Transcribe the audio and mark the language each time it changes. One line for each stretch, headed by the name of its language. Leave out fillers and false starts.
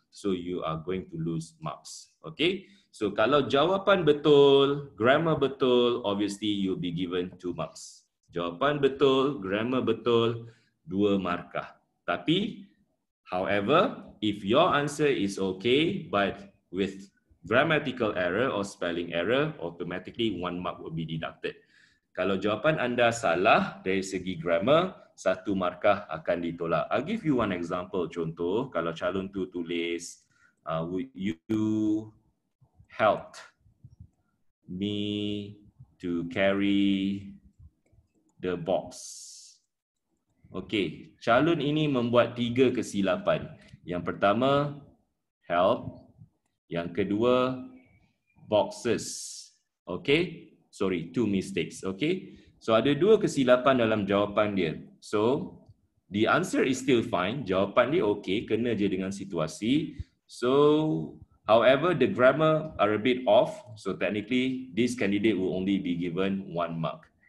English: So you are going to lose marks. Okay? So
Malay: kalau jawapan betul, grammar betul,
English: obviously you'll be given 2 marks.
Malay: Jawapan betul, grammar betul, 2 markah.
English: Tapi, however, if your answer is okay, but with grammatical error or spelling error, automatically 1 mark will be deducted.
Malay: Kalau jawapan anda salah dari segi grammar, 1 markah akan ditolak.
English: I'll give you one example.
Malay: Contoh, kalau calon tu tulis,
English: would you help me to carry the box.
Malay: Okay, calon ini membuat 3 kesilapan. Yang pertama, help. Yang kedua, boxes.
English: Okay, sorry, 2 mistakes.
Malay: Okay, so ada 2 kesilapan dalam jawapan dia.
English: So, the answer is still fine.
Malay: Jawapan dia okay, kena je dengan situasi.
English: So, however, the grammar are a bit off, so technically, this candidate will only be given 1 mark.